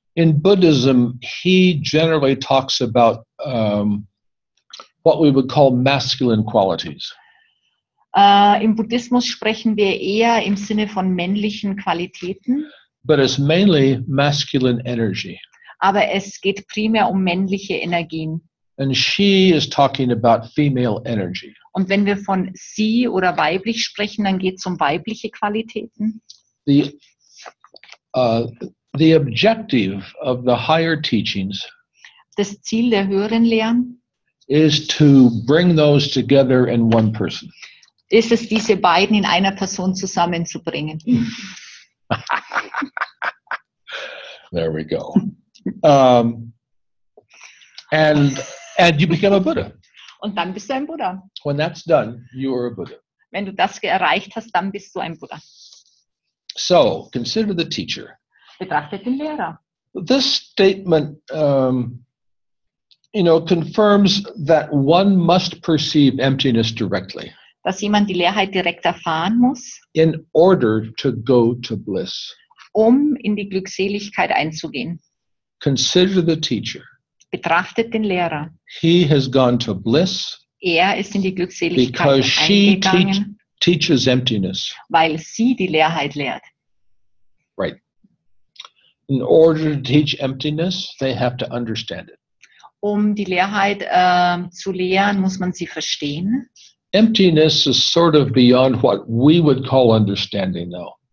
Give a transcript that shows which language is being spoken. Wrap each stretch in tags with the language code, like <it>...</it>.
<en>In Buddhism, he generally talks about what we would call masculine qualities.</en> <de>Im Buddhismus sprechen wir eher im Sinne von männlichen Qualitäten.</de> <en>But it's mainly masculine energy.</en> <de>Aber es geht primär um männliche Energien.</de> <en>And she is talking about female energy.</en> <de>Und wenn wir von sie oder weiblich sprechen, dann geht es um weibliche Qualitäten.</de> <en>The objective of the higher teachings.</en> <de>Das Ziel der höheren Lehren.</de> <en>Is to bring those together in one person.</en> <de>Ist es, diese beiden in einer Person zusammenzubringen.</de> <en>There we go. And you become a Buddha.</en> <de>Und dann bist du ein Buddha.</de> <en>When that's done, you are a Buddha.</en> <de>Wenn du das erreicht hast, dann bist du ein Buddha.</de> <en>So, consider the teacher.</en> <de>Betrachtet den Lehrer.</de> <en>This statement confirms that one must perceive emptiness directly.</en> <de>Dass jemand die Leerheit direkt erfahren muss.</de> <en>In order to go to bliss.</en> <de>Um in die Glückseligkeit einzugehen.</de> <en>Consider the teacher.</en> <de>Betrachtet den Lehrer.</de> <en>He has gone to bliss.</en> <de>Er ist in die Glückseligkeit eingegangen.</de> <en>Because she teaches emptiness.</en> <de>Weil sie die Leerheit lehrt.</de> <en>Right. In order to teach emptiness, they have to understand it.</en> <de>Um die Leerheit zu lehren, muss man sie verstehen.</de> <en>Emptiness is sort of beyond what we would call understanding, though.</en>